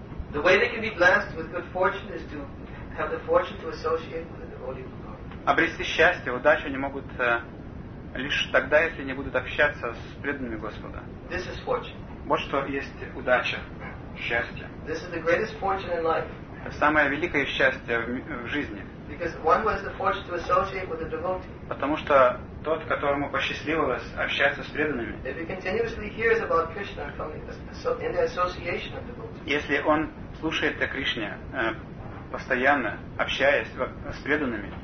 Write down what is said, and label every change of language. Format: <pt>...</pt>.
<en>The way they can be blessed with good fortune is to have the fortune to associate with the devotee of God.</en> <ru>Обрести счастье, удачу они могут лишь тогда, если они будут общаться с преданными Господа.</ru> <en>This is fortune.</en> <ru>Вот что есть удача, счастье.</ru> <en>This is the greatest fortune in life.</en> <ru>Это самое великое счастье в жизни.</ru> <en>Because one has the fortune to associate with a devotee.</en> <ru>Потому что тот, которому посчастливилось общаться с преданными,</ru> <en>if he continuously hears about Krishna from in the association of devotees.</en> <ru>Если он слушает о Кришне постоянно, общаясь с преданными,</ru>